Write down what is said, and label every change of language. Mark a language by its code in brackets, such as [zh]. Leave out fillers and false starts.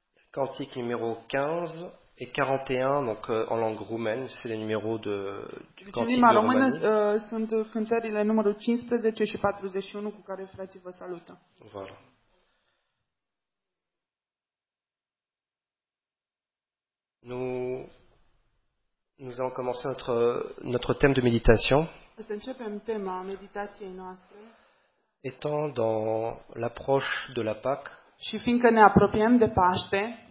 [fr] Cantique numéro 15 et 41, donc en langue roumaine, c'est le numéro du cantique de Roumanie. [ro] Sunt cântările numărul 15 și 41 cu care frații vă salută. [fr] Voilà. Nous allons commencer notre thème de méditation. [ro] Să începem tema meditației noastre. [fr] Étant dans l'approche de la Pâque. [ro] Și fiindcă ne apropiem de Paște.